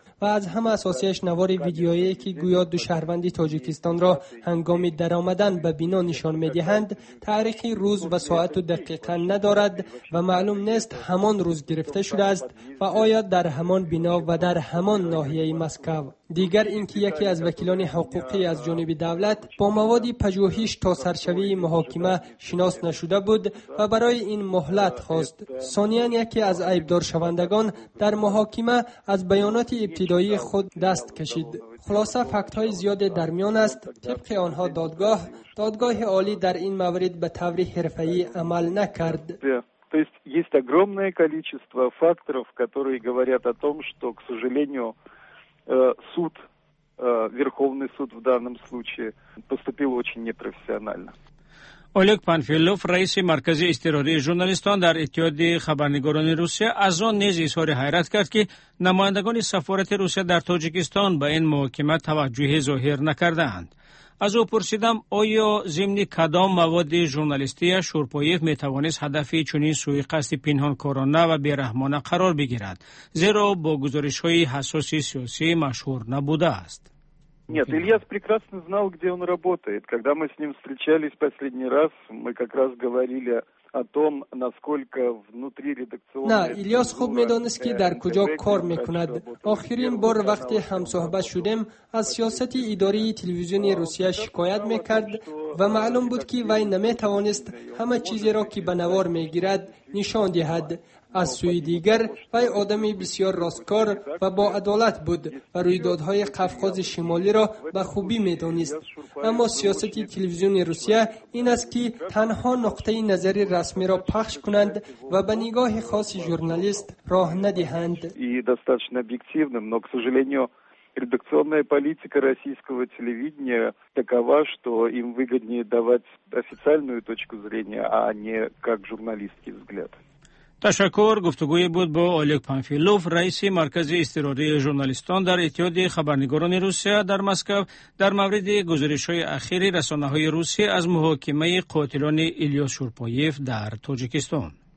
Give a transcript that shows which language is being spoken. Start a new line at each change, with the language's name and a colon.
Persian: و از همه اساسیش نوار ویدیویی که گویا دو شهروند تاجیکستان را هنگام درآمدن به بنا نشان می‌دهند تاریخ روز و ساعت و دقیقاً ندارد و معلوم نیست همان روز گرفته شده است و آیا در همان بنا و در همان ناحیه مسکو دیگر اینکه یکی از وکیلان حقوقی از جانب دولت با مواد پژوهش تا سرشوی محاکمه شناس نشده بود و برای این مهلت خواست. ثانیاً یکی از عیبدار شوندگان در محاکمه از بیانات ابتدایی خود دست کشید. خلاصه فکت های زیاد در میان است. طبق آنها دادگاه عالی در این مورد به طور حرفه‌ای عمل نکرد.
Russian: То есть есть огромное количество факторов, которые говорят о том, что, к сожалению, суд, Верховный суд в данном случае поступил очень непрофессионально.
Persian: Олег Панфилов, رئیس مرکز اضطراری ژورنالیستان در اتحادیه خبرنگاران روسیه از آن نیز اظهار حیرت کرد که نمایندگان سفارت روسیه در تاجیکستان به این محاکمه توجه ظاهر نکردند. از او پرسیدم آیا ضمن کدام مواد ژورنالیستی شورپایف می توانست هدف چنین سوی قصد پنهان کارانه و بی‌رحمانه قرار بگیرد زیرا با گزارش های حساس سیاسی مشهور نبوده است.
Russian: Нет, Ильяс прекрасно знал, где он работает. Когда мы с ним встречались последний раз, мы как раз говорили о том, насколько внутри редакционной...
Tajik: Нет, Ильяс хуб медонист, ки дар куджо кор мекунад. Ахирин бор вакти хам сохбат шудем, аз сиосати идарии телевизиони Русия шикоят мекард, ва маълум буд ки вай наме таванист хама чизе ро ки банавар мегирад, нишан диҳад.
Persian: از سوی دیگر وی آدمی بسیار راستکار و با عدالت بود و رویدادهای قفقاز شمالی را به خوبی می دانست. اما سیاست تلویزیون روسیه این است که تنها نقطه نظری رسمی را پخش کنند و به نگاه خاص ژورنالیست راه ندهند.
Russian: و достаточно объективным, но, к сожалению, редакционная политика российского телевидения такова, что им выгоднее давать официальную точку зрения, а не как журналистский взгляд.
Persian: تشکر گفتگوی بود با اولگ پانفیلوف رئیس مرکز اضطراری ژورنالیستان در اتحادیه خبرنگاران روسیه در مسکو در مورد گزارش های اخیر رسانه های روسیه از محاکمه قاتلان ایلیا شورپایف در تاجیکستان.